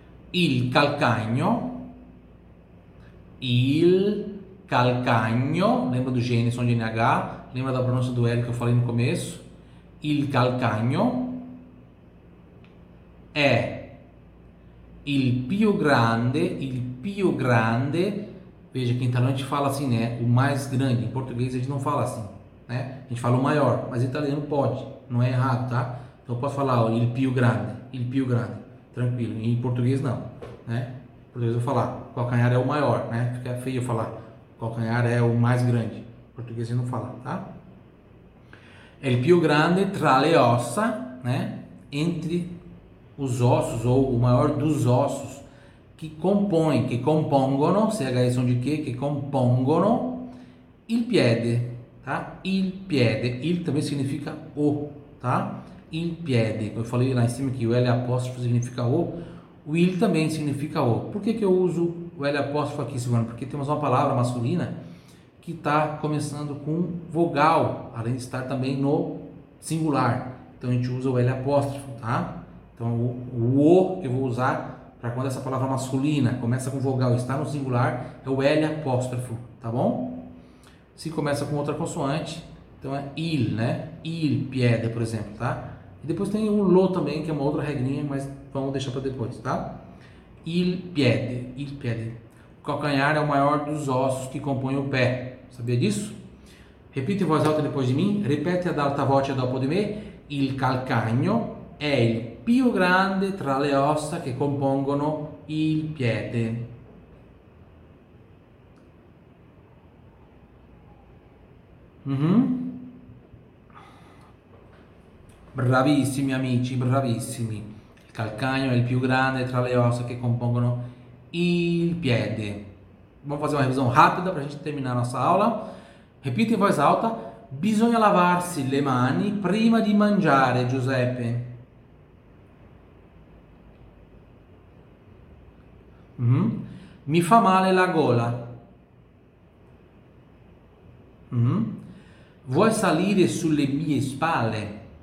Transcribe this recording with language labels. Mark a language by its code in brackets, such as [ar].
[it] Il calcagno, [pt] lembra do gene, sono gene H, lembra da pronuncia do L che eu falei no começo. [it] Il calcagno è il più grande, [pt] veja que em italiano a gente fala assim, né? O mais grande, em português a gente não fala assim, né? A gente fala o maior, mas em italiano pode, não é errado, tá? Então pode falar, ó, [it] il più grande, [pt] tranquilo, em português não, né? Em português eu falar, calcanhar é o maior, né? Fica feio eu falar, calcanhar é o mais grande, em português a gente não fala, tá? [it] É il più grande tra le ossa, né? [pt] Entre os ossos, ou o maior dos ossos. Que compongono, se H são de quê? Que [it] compongono il piede, [pt] tá? Il piede, il também significa o, tá? Il piede, eu falei lá em cima que o L apóstrofo significa o il também significa o. Por que que eu uso o L apóstrofo aqui, Silvano? Porque temos uma palavra masculina que está começando com vogal, além de estar também no singular. Então a gente usa o L apóstrofo, tá? Então o eu vou usar. Para quando essa palavra masculina começa com vogal e está no singular, é o L apóstrofo, tá bom? Se começa com outra consoante, então é il, né? Il piede, por exemplo, tá? E depois tem o lo também, que é uma outra regrinha, mas vamos deixar para depois, tá? Il piede. O calcanhar é o maior dos ossos que compõem o pé. Sabia disso? Repita em voz alta depois de mim. [it] Repete ad alta voce dopo di me. Il calcagno è il più grande tra le ossa che compongono il piede. Bravissimi amici, bravissimi. Il calcagno è il più grande tra le ossa che compongono il piede. [pt] Vamos fazer uma revisão rápida para a gente terminar nossa aula. Repita em voz alta. [it] Bisogna lavarsi le mani prima di mangiare, Giuseppe. Mi fa male la gola. Vuoi salire sulle mie spalle?